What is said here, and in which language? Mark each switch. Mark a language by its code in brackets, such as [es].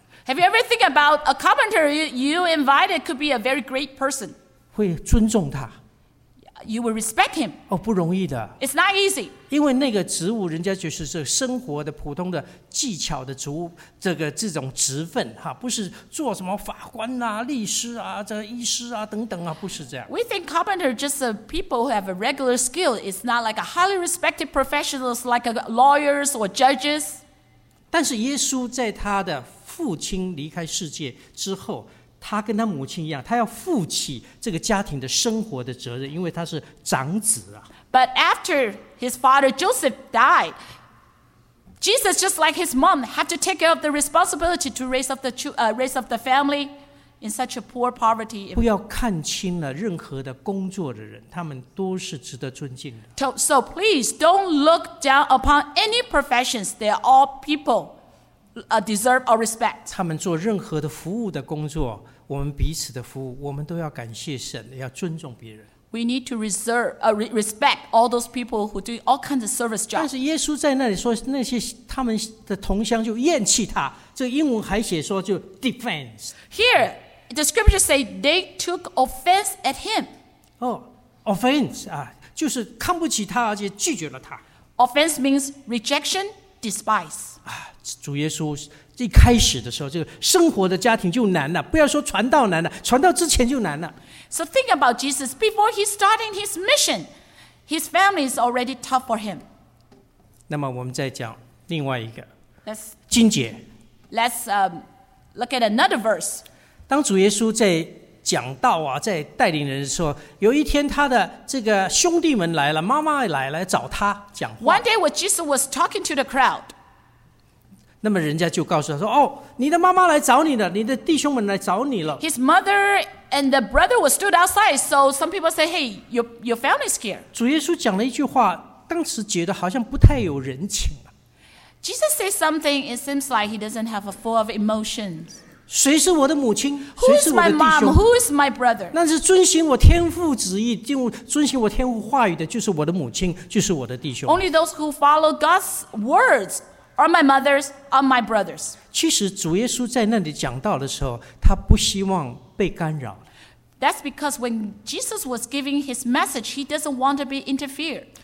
[en] Have you ever think about a carpenter you invited could be a very great person? [zh] 会尊重他。 [en] You will respect him. [zh] 不容易的。 [en] It's not easy. [zh] 因为那个职务，人家就是这生活的普通的技巧的职务，这种职分哈，不是做什么法官啊、律师啊、这医师啊等等啊，不是这样。 [en] We think carpenter just people who have a regular skill. It's not like a highly respected professionals like lawyers or judges. [zh] 但是耶稣在他的父亲离开世界之后，他跟他母亲一样，他要负起这个家庭的生活的责任，因为他是长子啊。 [en] But after his father Joseph died, Jesus just like his mom had to take care of the responsibility to raise up the family in such a poor poverty. [zh] 不要看轻了任何的工作的人，他们都是值得尊敬的。 [en] So please don't look down upon any professions. They are all people. Deserve our respect. [zh] 他们做任何的服务的工作，我们彼此的服务，我们都要感谢神，要尊重别人。 [en] We need to respect all those people who do all kinds of service jobs. [zh] 但是耶稣在那里说，那些他们的同乡就厌弃他。这英文还写说就 defense. [en] Here, the scriptures say they took offense at him. [zh] Offense 就是看不起他，而且拒绝了他。 [en] Offense means rejection, despise. [zh] 主耶稣一开始的时候，这个生活的家庭就难了，不要说传道难了，传道之前就难了。 [en] So think about Jesus. Before he started his mission, his family is already tough for him. [zh] 那么我们再讲另外一个。 [en] Let's [zh] 经节。 [en] Let's look at another verse. [zh] 当主耶稣在讲道啊，在带领人的时候，有一天他的这个兄弟们来了，妈妈来了找他讲话。 [en] One day when Jesus was talking to the crowd. [zh] 那么人家就告诉他说，你的妈妈来找你了，你的弟兄们来找你了。 [en] His mother and the brother were stood outside, so some people say, hey, your family's here. [zh] 主耶稣讲了一句话，当时觉得好像不太有人情了。 [en] Jesus says something, it seems like he doesn't have a full of emotions. [zh] 谁是我的母亲？ [en] Who is my mom? Who is my brother? [zh] 那是遵行我天父旨意，遵行我天父话语的，就是我的母亲，就是我的弟兄。 [en] Only those who follow God's words. Are my mothers, are my brothers. [zh] 其实主耶稣在那里讲道的时候，他不希望被干扰。 [en] That's because when Jesus was giving his message, he doesn't want to be interfered.